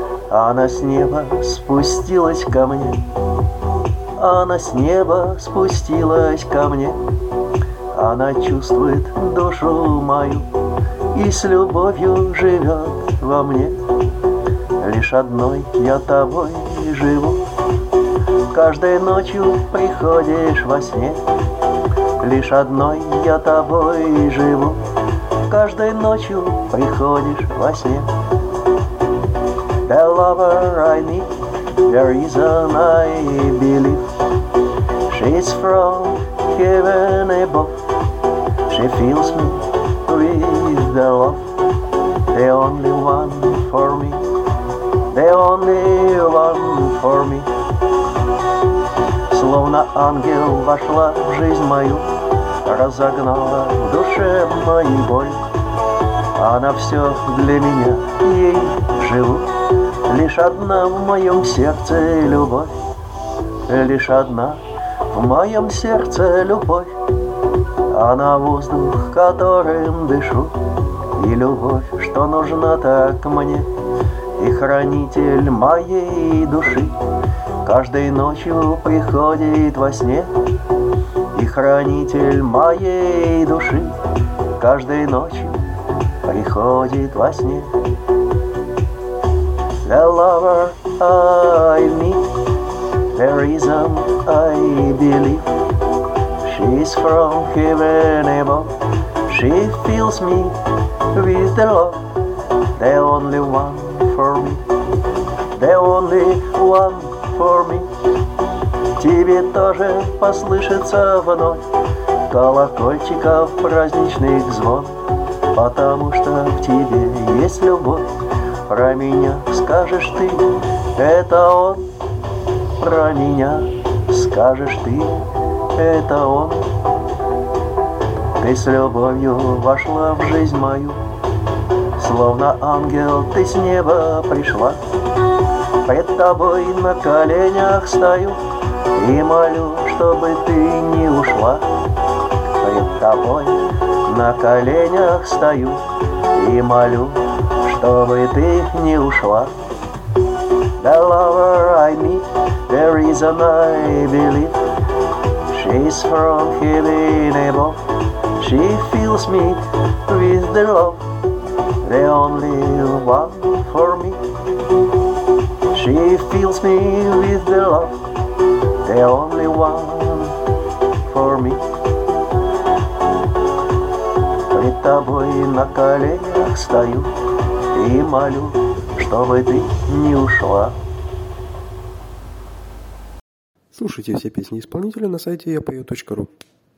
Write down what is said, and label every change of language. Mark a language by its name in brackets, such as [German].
[Russian] Она с неба спустилась ко мне, она с неба спустилась ко мне, она чувствует душу мою и с любовью живет во мне. Лишь одной я тобой живу, каждой ночью приходишь во сне. Лишь одной я тобой живу, каждой ночью приходишь во сне. [English] The lover I meet, the reason I believe, she's from heaven above. She fills me with the love, the only one for me, the only one for me. [Russian] Словно ангел вошла в жизнь мою, разогнала в душе мою боль. Она все для меня, ей живу. Лишь одна в моем сердце любовь, лишь одна в моем сердце любовь. Она воздух, которым дышу, и любовь, что нужна так мне, и хранитель моей души, каждой ночью приходит во сне. И хранитель моей души каждой ночью приходит во сне. [English] The lover I meet, the reason I believe, she's from heaven above. She fills me with the love, the only one for me, the only one for me. [Russian] Тебе тоже послышится вновь колокольчиков праздничный звон, потому что в тебе есть любовь. Про меня скажешь ты, это он. Про меня скажешь ты, это он. Ты с любовью вошла в жизнь мою, словно ангел ты с неба пришла. Пред тобой на коленях стою и молю, чтобы ты не ушла. Пред тобой на коленях стою и молю, чтобы ты не ушла. [English] The lover I meet, the reason I believe, she's from heaven above. She fills me with the love, the only one for me. She fills me with the love, the only one for me. [Russian] Пред тобой на коленях стою и молю, чтобы ты не ушла. Слушайте все песни исполнителя на сайте yapoyu.ru.